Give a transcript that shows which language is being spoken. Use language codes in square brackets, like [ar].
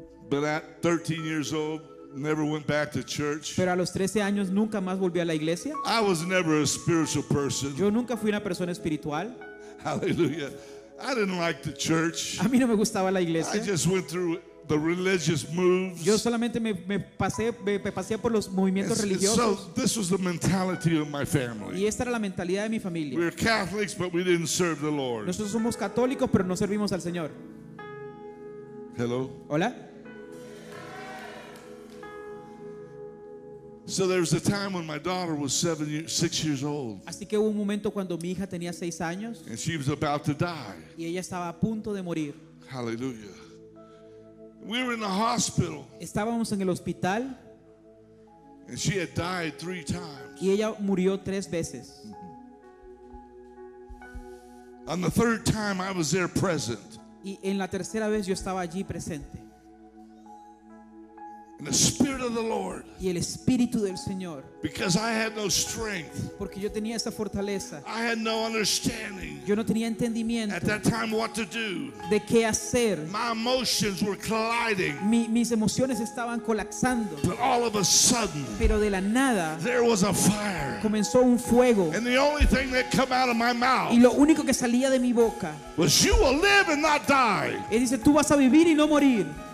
[en] But at 13 years old, never went back to church. [es] Pero a los 13 años nunca más volví a la iglesia. [en] I was never a spiritual person. [es] Yo nunca fui una persona espiritual. [en] Hallelujah. I didn't like the church. [es] A mí no me gustaba la iglesia. [en] I just went through it. The religious moves. [es] Yo solamente me pasé por los movimientos religiosos. [en] So this was the mentality of my family. [es] Y esta era la mentalidad de mi familia. [en] We're Catholics, but we didn't serve the Lord. [es] Nosotros somos católicos, pero no servimos al Señor. [en] Hello. [es] Hola. [en] So there was a time when my daughter was six years old. [es] Así que hubo un momento cuando mi hija tenía 6 años. [en] And she was about to die. [es] Y ella estaba a punto de morir. [en] Hallelujah. We were in the hospital. [es] Estábamos en el hospital. [en] And she had died 3 times. [es] Y ella murió 3 veces. [en] On the third time I was there present. [es] Y en la tercera vez yo estaba allí presente. [en] And the Spirit of the Lord. [es] Y el Espíritu del Señor. [en] Because I had no strength. [es] Porque yo tenía esa fortaleza. [en] I had no understanding. [es] Yo no tenía entendimiento. [en] At that time, what to do? [es] De qué hacer. [en] My emotions were colliding. [es] Mis emociones estaban colapsando. [en] But all of a sudden, [es] pero de la nada, [en] there was a fire. [es] Comenzó un fuego. [en] And the only thing that came out of my mouth. [es] Y lo único que salía de mi boca. [en] Was you will live and not die. [es] Y dice, tú vas a vivir y no morir.